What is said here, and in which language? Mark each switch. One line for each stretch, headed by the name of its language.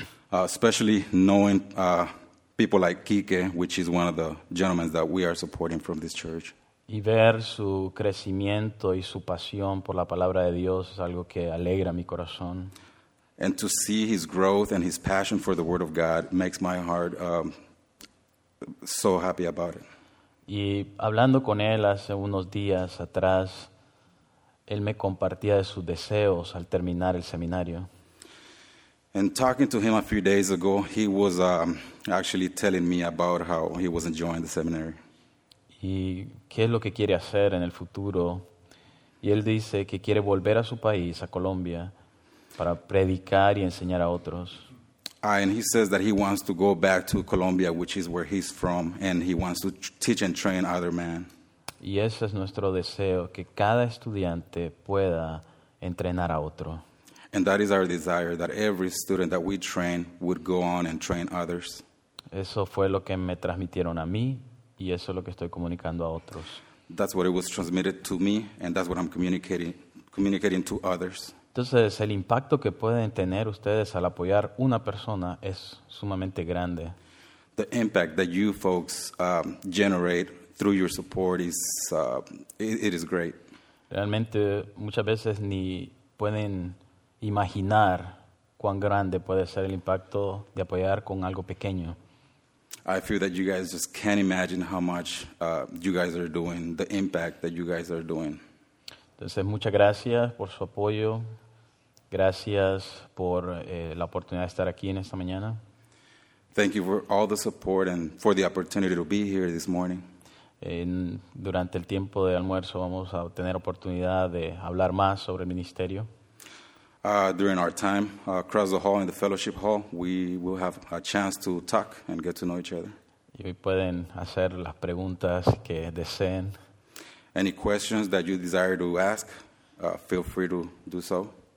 English: Especially knowing people like Quique, which is one of the gentlemen that we are supporting from this church.
Spanish: Y ver su crecimiento y su pasión por la palabra de Dios es algo que alegra mi corazón.
English: And to see his growth and his passion for the word of God makes my heart so happy about it.
Spanish: Y hablando con él hace unos días atrás, él me compartía de sus deseos al terminar el seminario.
English: And talking to him a few days ago, he was actually telling me about how he was enjoying the seminary.
Spanish: Y qué es lo que quiere hacer en el futuro. Y él dice que quiere volver a su país, a Colombia, para predicar y enseñar a otros.
English: And he says that he wants to go back to Colombia, which is where he's from, and he wants to teach and train other men.
Spanish: Y ese es nuestro deseo, que cada estudiante pueda entrenar a otro.
English: And that is our desire, that every student that we train would go on and train others.
Spanish: Eso fue lo que me transmitieron a mí. Y eso es lo que estoy comunicando a otros.
English: That's what it was transmitted to me, and that's what I'm communicating to others.
Spanish: Entonces, el impacto que pueden tener ustedes al apoyar una persona es sumamente grande.
English: The impact that you folks generate through your support is it is great.
Spanish: Realmente, muchas veces ni pueden imaginar cuán grande puede ser el impacto de apoyar con algo pequeño.
English: I feel that you guys just can't imagine how much you guys are doing, the impact that you guys are doing.
Spanish: Entonces, muchas gracias por su apoyo. Gracias por la oportunidad de estar aquí en esta mañana.
English: Thank you for all the support and for the opportunity to be here this morning.
Spanish: Durante el tiempo de almuerzo vamos a tener oportunidad de hablar más sobre el ministerio.
English: During our time across the hall in the fellowship hall, we will have a chance to talk and get to know each other.
Spanish: Y pueden hacer las preguntas que deseen.
English: Any questions that you desire to ask, feel free to do so.